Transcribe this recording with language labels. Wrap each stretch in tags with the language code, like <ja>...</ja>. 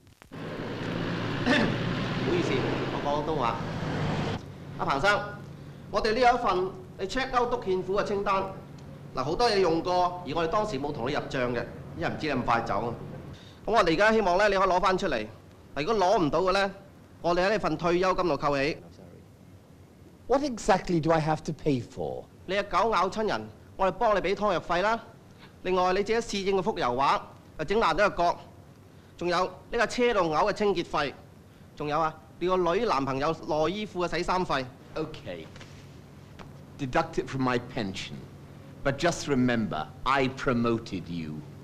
<yue>唔好意思，我講廣東話。阿彭生，我哋呢有一份你 check 勾督欠苦嘅清單，嗱好多嘢用過，而我哋當時冇同你入帳嘅，因為唔知你咁快走啊。咁我哋而家希望咧，你可以攞翻出嚟。如果攞唔到嘅咧，我哋喺你份退休金度扣起。</yue> <en>What exactly do I have to pay for？</en> <yue>你只狗咬親人，我哋幫你俾湯藥費啦。另外你自己侍應嘅幅油畫又整爛咗個角，仲有呢架車度嘔嘅清潔費，仲有啊。你個女男朋友內衣褲嘅洗衫費</yue> <en>，Okay， deduct it from my pension， but just remember I promoted you。</en>